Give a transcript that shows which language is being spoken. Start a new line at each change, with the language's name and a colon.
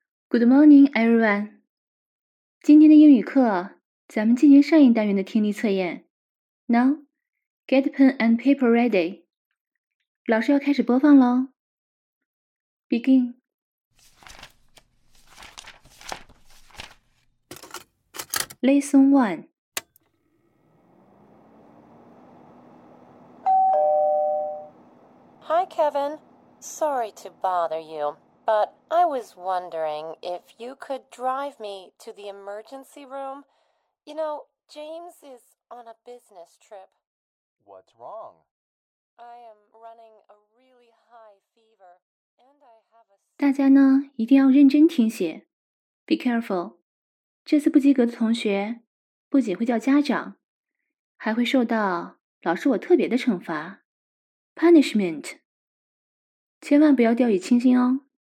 English: Good morning, everyone.
Chinese: 今天的英语课，咱们进行上一单元的听力测验。
English: Now, get pen and paper ready.
Chinese: 老师要开始播放喽。
English: Begin. Lesson 1. Hi, Kevin. Sorry to bother you. But I was wondering if you could drive me to the emergency room. You know, James is on a business trip. What's wrong? I am running a really high fever. And I have a...
Chinese: 大家呢，一定要认真听写。
English: Be careful.
Chinese: 这次不及格的同学不仅会叫家长，还会受到老师我特别的惩罚。 Punishment. 千万不要掉以轻心哦。